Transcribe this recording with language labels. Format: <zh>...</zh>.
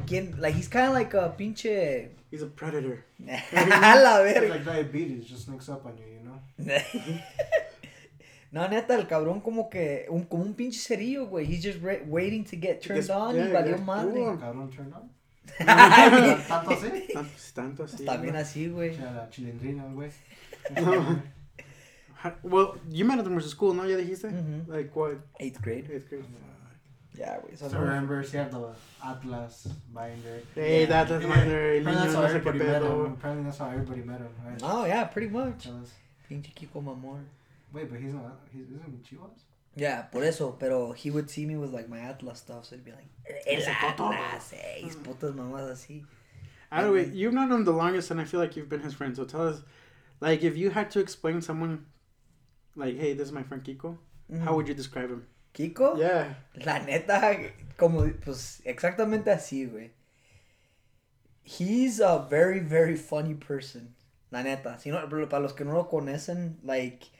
<en>Quién, like, he's kind of like a pinche. He's a predator.</en> <es>A la verga.</es> <en>Like diabetes just sneaks up on you, you know?</en> <es>No, neta, el cabrón como que, como un pinche cerillo, güey.</es> <en>He's just waiting to get turned gets, on, yeah,</en> <es>y valió madre. ¿El cabrón</es> <en>turned on?</en> <es>Tanto así. Está bien, ¿no? Así, güey. O sea, la chilindrina, güey.</es> <en>Well, you met at the Mercer School, ¿no?</en> <es>Ya dijiste.</es> <en>Mm-hmm. Like, what? Eighth grade. Yeah, güey. So I remember, she had the Atlas binder. Hey, yeah. Atlas binder.</en> <es>El niño, no sé qué pedo.</es> <en>Apparently, that's how everybody met him, right? Oh, yeah, pretty much. Pinche Kiko Mamor. Wait, but he's not, he's in Chivas? Yeah,</en> <es>por eso,</es> <en>pero he would see me with, like, my Atlas stuff, so he'd be like, el Atlas, his putas mamás así. Anyway, you've known him the longest, and I feel like you've been his friend, so tell us, like, if you had to explain someone, like, hey, this is my friend Kiko, how would you describe him?</en> <es>¿Kiko?</es> <en>Yeah.</en> <es>La neta, como, pues, exactamente así, güey.</es> <en>He's a very, very funny person,</en> <es>la neta. Si no, para los que no lo conocen, like...</es>